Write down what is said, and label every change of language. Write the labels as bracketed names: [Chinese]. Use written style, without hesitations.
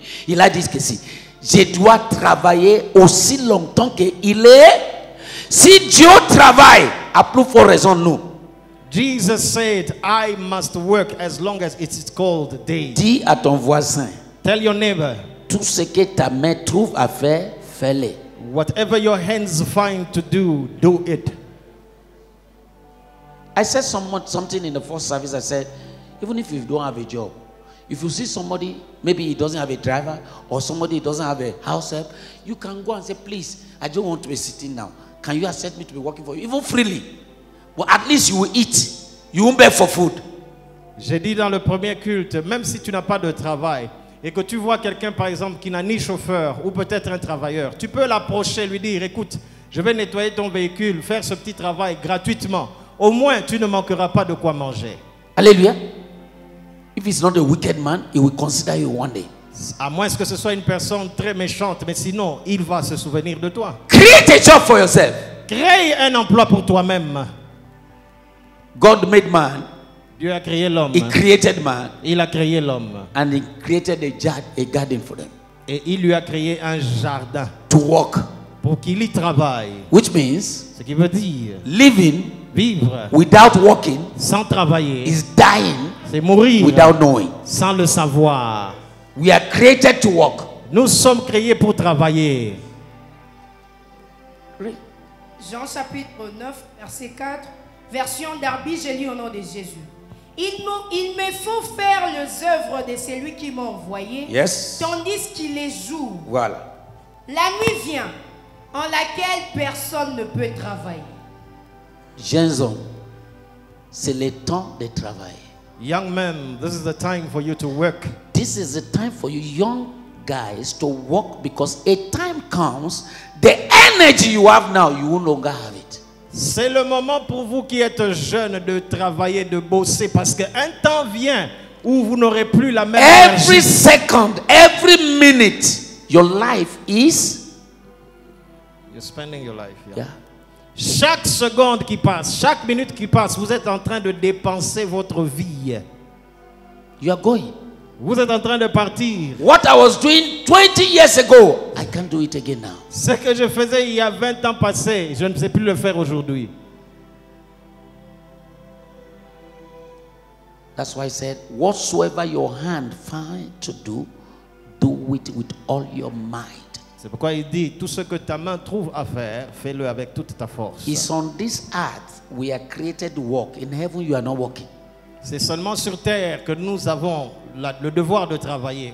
[French] Il a dit que si, je dois travailler aussi longtemps qu'il est. Si Dieu travaille, à plus forte raison nous. [English] Jesus said, I must work as long as it is called day. [French] Dis à ton voisin. [English] Tell your neighbor. [French] Tout ce que ta main trouve à faire, fais-le. [English] Whatever your hands find to do, do it. I said something in the first service. I said, even if you don't have a job, if you see somebody, maybe he doesn't have a driver, or somebody doesn't have a house help, you can go and say, please, I don't want to be sitting now. Can you accept me to be working for you? Even freely. Well, at least you will eat. You won't beg for food. [French] J'ai dit dans le premier culte, même si tu n'as pas de travail et que tu vois quelqu'un, par exemple, qui n'a ni chauffeur ou peut-être un travailleur, tu peux l'approcher, lui dire, écoute, je vais nettoyer ton véhicule, faire ce petit travail gratuitement. Au moins, tu ne manqueras pas de quoi manger. Alléluia. [English] If it's not a wicked man, he will consider you one day. [French] À moins que ce soit une personne très méchante, mais sinon, il va se souvenir de toi. [English] Create a job for yourself. [French] Crée un emploi pour toi-même. [English] God made man. [French] Dieu a créé l'homme. [English] He created man. [French] Il a créé l'homme. [English] And he created a garden for them. [French] Et il lui a créé un jardin. [English] To walk. [French] Pour qu'il y travaille. [English] Which means. [French] Ce qui veut dire. [English] Living. [French] Vivre. [English] Without walking. [French] Sans travailler. [English] Is dying. [French] C'est mourir. [English] Without knowing. [French] Sans le savoir. [English] We are created to walk. [French] Nous sommes créés pour travailler. Jean chapitre 9 verset 4. Version Darby, j'ai lu au nom de Jésus. Il me faut faire les œuvres de celui qui m'a envoyé, [English] yes. [French] Tandis qu'il est jour. Voilà. La nuit vient en laquelle personne ne peut travailler. Jeunes hommes, c'est le temps de travailler. [English] Young men, this is the time for you to work. This is the time for you young guys to work because a time comes, the energy you have now, you will no longer have it. [French] C'est le moment pour vous qui êtes jeunes de travailler, de bosser, parce qu'un temps vient où vous n'aurez plus la même énergie. [English] Every second, every minute, your life is. You're spending your life. Yeah. Yeah. [French] Chaque seconde qui passe, chaque minute qui passe, vous êtes en train de dépenser votre vie. [English] You are going. [French] Vous êtes en train de partir. [English] What I was doing 20 years ago, I can't do it again now. [French] Ce que je faisais il y a 20 ans passé, je ne sais plus le faire aujourd'hui. [English] That's why I said, whatsoever your hand finds to do, do it with all your might. [French] C'est pourquoi il dit, tout ce que ta main trouve à faire, fais-le avec toute ta force. [English] It's on this earth we are created to work. In heaven, you are not working. [French] C'est seulement sur terre que nous avons le devoir de travailler.